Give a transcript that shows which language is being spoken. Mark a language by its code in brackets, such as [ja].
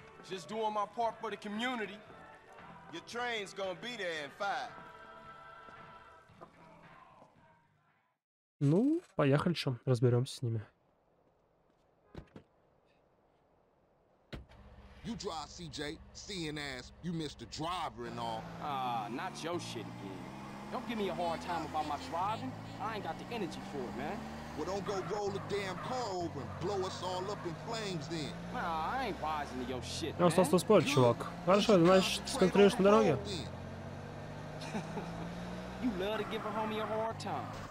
[en] Just doing my part for the community. Your train's gonna be there in 5. [ru] Ну, поехали, что, разберемся с ними. [en] You drive, CJ, seeing as you missed the driver and all. Not your shit again. Don't give me a hard time about my driving. I ain't got the energy for it, man. Well, don't go roll a damn car over and blow us all up in flames then. Nah, I ain't rising to your shit, man. [ru] Я устал спорить, чувак. Хорошо, значит, сконцентрируешь на дороге. [en] You love to give a homie a hard time.